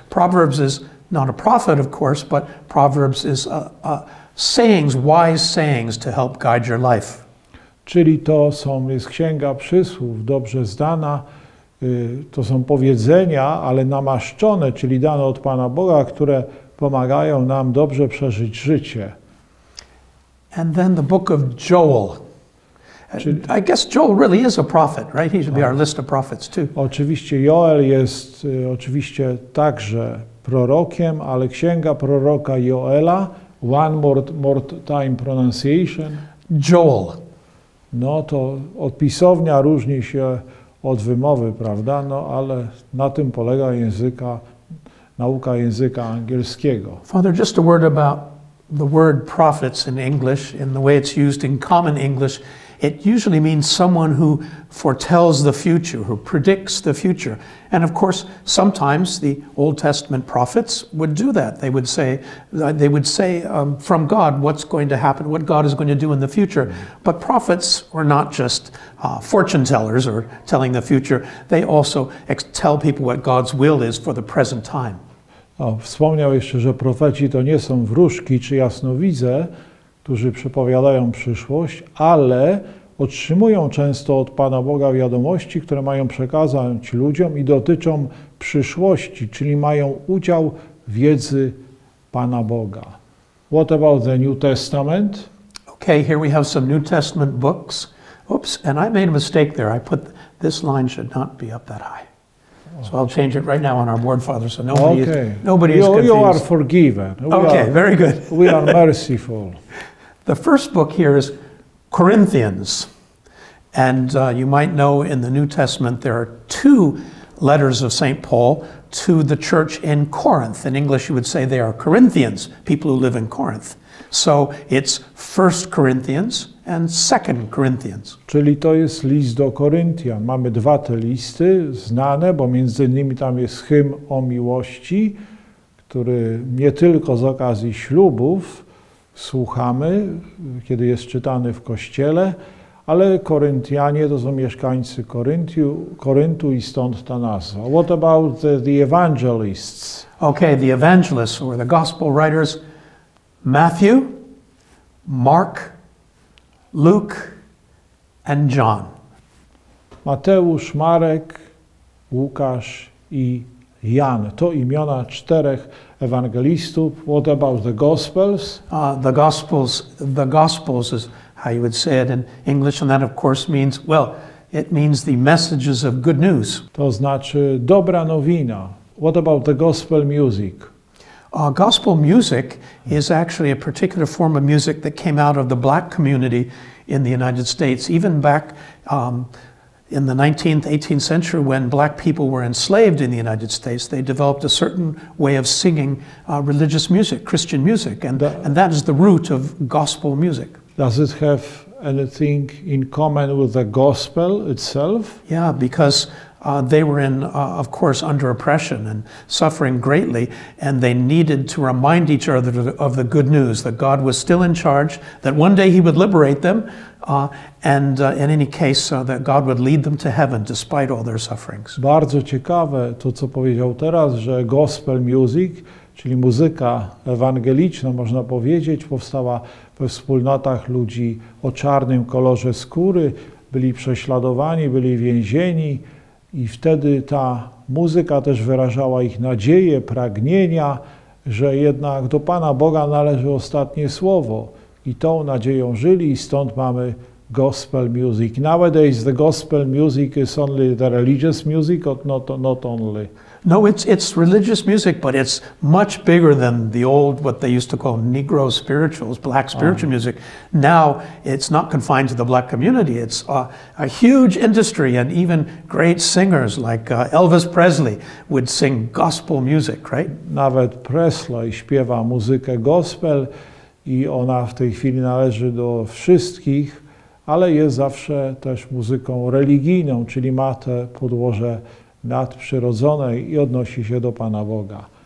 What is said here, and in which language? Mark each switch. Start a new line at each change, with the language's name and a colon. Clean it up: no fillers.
English: Proverbs is not a prophet, of course, but Proverbs is sayings, wise sayings to help guide your life.
Polish: Czyli to są, jest księga przysłów, dobrze zdana. To są powiedzenia, ale namaszczone, czyli dane od Pana Boga, które pomagają nam dobrze przeżyć życie.
English: And then the book of Joel. Czyli, I guess Joel really is a prophet, right? He should be our list of prophets too.
Polish: Oczywiście Joel jest oczywiście także prorokiem, ale księga proroka Joela,
English: one more time pronunciation. Joel.
Polish: No to odpisownia różni się od wymowy, prawda? No, ale na tym polega języka, nauka języka angielskiego.
English: Father, just a word about the word prophets in English, in the way it's used in common English. It usually means someone who foretells the future, who predicts the future. And of course, sometimes the Old Testament prophets would do that. They would say from God what's going to happen, what God is going to do in the future. But prophets were not just fortune tellers or telling the future. They also tell people what God's will is for the present time.
Polish: O, wspomniał jeszcze, że profeci to nie są wróżki czy jasnowidze, którzy przepowiadają przyszłość, ale otrzymują często od Pana Boga wiadomości, które mają przekazać ludziom i dotyczą przyszłości, czyli mają udział wiedzy Pana Boga.
English: What about the New Testament? Okay, here we have some New Testament books. Oops, and I made a mistake there. I put this line should not be up that high. So I'll change it right now on our board, Father, so nobody is confused. You are forgiven. Very good. We are merciful. The first book here is Corinthians. And you might know in the New Testament there are two letters of St. Paul to the church in Corinth. In English you would say they are Corinthians, people who live in Corinth. So it's 1 Corinthians and 2 Corinthians.
Polish: Czyli to jest list do Koryntian. Mamy dwa te listy znane, bo między innymi tam jest hymn o miłości, który nie tylko z okazji ślubów słuchamy, kiedy jest czytany w kościele, ale Koryntianie to są mieszkańcy Koryntu i stąd ta nazwa.
English: What about the evangelists? Okay, the evangelists or the gospel writers. Matthew, Mark, Luke, and John.
Polish: Mateusz, Marek, Łukasz i Jan. To imiona czterech ewangelistów.
English: What about the Gospels? The Gospels is how you would say it in English, and that of course means, it means the messages of good news.
Polish: To znaczy dobra nowina.
English: What about the gospel music? Gospel music is actually a particular form of music that came out of the black community in the United States. Even back in the 19th, 18th century, when black people were enslaved in the United States, they developed a certain way of singing religious music, Christian music, and that is the root of gospel music. Does it have anything in common with the gospel itself? Yeah, because they were in, of course, under oppression and suffering greatly, and they needed to remind each other of the good news, that God was still in charge, that one day he would liberate them, and in any case, that God would lead them to heaven despite all their sufferings.
Polish: Bardzo ciekawe to, co powiedział teraz, że gospel music, czyli muzyka ewangeliczna, można powiedzieć, powstała we wspólnotach ludzi o czarnym kolorze skóry, byli prześladowani, byli więzieni, i wtedy ta muzyka też wyrażała ich nadzieje, pragnienia, że jednak do Pana Boga należy ostatnie słowo. I tą nadzieją żyli, i stąd mamy gospel music.
English: Nowadays the gospel music is only the religious music, not only. No, it's religious music, but it's much bigger than the old, what they used to call Negro spirituals, black spiritual music. Now, it's not confined to the black community. It's a huge industry, and even great singers like Elvis Presley would sing gospel music, right?
Polish: Nawet Presley śpiewa muzykę gospel i ona w tej chwili należy do wszystkich, ale jest zawsze też muzyką religijną, czyli ma te podłoże nadprzyrodzonej i odnosi się do Pana Boga.